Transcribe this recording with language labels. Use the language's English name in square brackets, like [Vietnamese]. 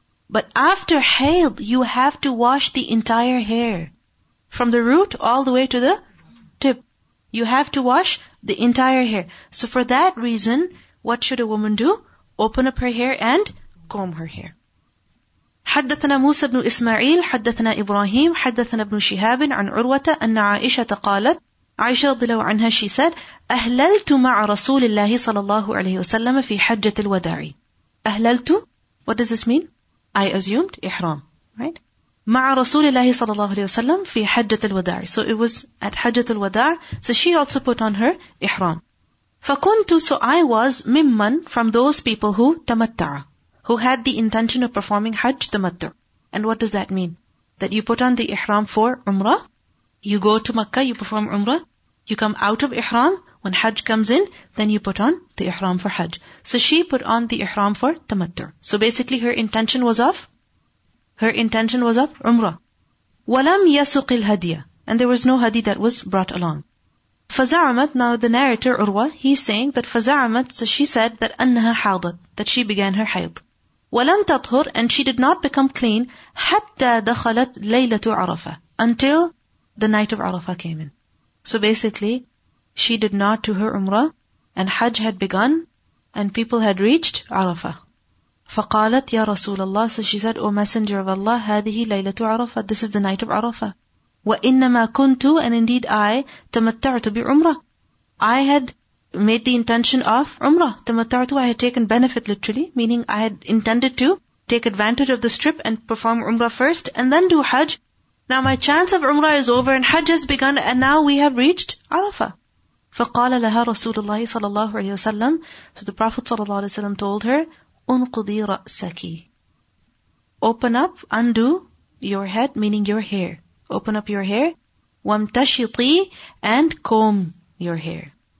[English] But after hayd, you have to wash the entire hair. From the root all the way to the tip. You have to wash the entire hair. So for that reason, what should a woman do? Open up her hair and comb her hair. [Arabic] حدثنا موسى بن إسماعيل حدثنا إبراهيم حدثنا ابن شهاب عن عروة أن عائشة قالت عائشة رضي الله عنها, [English] she said, [Arabic] أهللت مع رسول الله صلى الله عليه وسلم في حجة الوداع. [English] أهللت, what does this mean? I assumed إحرام, right? [Arabic] مع رسول الله صلى الله عليه وسلم في حجة الوداع. [English] So it was at حجة الوداع. So she also put on her إحرام. فكنت, so I was ممن, from those people who تمتع, who had the intention of performing حج تمتع. And what does that mean? That you put on the إحرام for Umrah. You go to Mecca, you perform Umrah. You come out of إحرام. When حج comes in, then you put on the إحرام for حج. So she put on the إحرام for تمتع. So basically her intention was of Her intention was of Umrah. [Arabic] وَلَمْ يَسُقِ الْهَدِيَ, [English] and there was no hadith that was brought along. فَزَعَمَتْ, now the narrator Urwa, he's saying that فَزَعَمَتْ, so she said that [Arabic] أَنَّهَا حَاضَتْ, [English] that she began her حَيْضْ. [Arabic] وَلَمْ تَطْهُرْ, [English] and she did not become clean, [Arabic] حَتَّى دَخَلَتْ لَيْلَةُ عَرَفَةً, [English] until the night of Arafah came in. So basically, she did not do her Umrah, and Hajj had begun, and people had reached Arafah. [Arabic] فقالت يا رسول الله, [English] so she said, O messenger of Allah, [Arabic] هذه ليلة عرفة, [English] this is the night of عرفة. [Arabic] وإنما كنت, [English] and indeed I, [Arabic] تمتعت بعمرة. [English] I had made the intention of Umrah. تمتعت, I had taken benefit literally, meaning I had intended to take advantage of this trip and perform Umrah first and then do Hajj. Now my chance of Umrah is over and Hajj has begun and now we have reached عرفة. [Arabic] فقال لها رسول الله صلى الله عليه وسلم, [English] so the Prophet صلى الله عليه وسلم told her, [Arabic] أنقضي رأسكي, [English] open up, undo your head, meaning your hair, open up your hair, وامتشطي, and comb your hair.